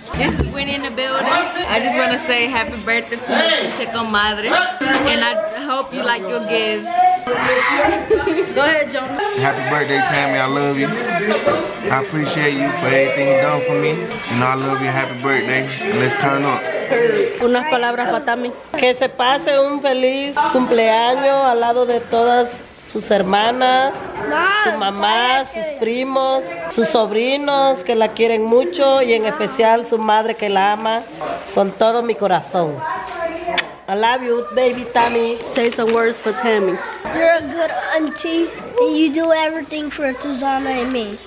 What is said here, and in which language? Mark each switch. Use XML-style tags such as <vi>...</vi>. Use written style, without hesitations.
<en>Yes, we in the building. I just want to say happy birthday to you, Chico Madre. And I hope you like your gifts. Go ahead, Jonah. Happy birthday, Tammy. I love you. I appreciate you for everything you've done for me. You know I love you. Happy birthday. Let's turn up.</en> <es>Unas palabras para Tammy. Que se pase un feliz cumpleaños al lado de todas sus hermanas, su mamá, sus primos, sus sobrinos que la quieren mucho y en especial su madre que la ama con todo mi corazón.</es> <en>I love you, baby Tammy. Say some words for Tammy. You're a good auntie and you do everything for Susana and me.</en>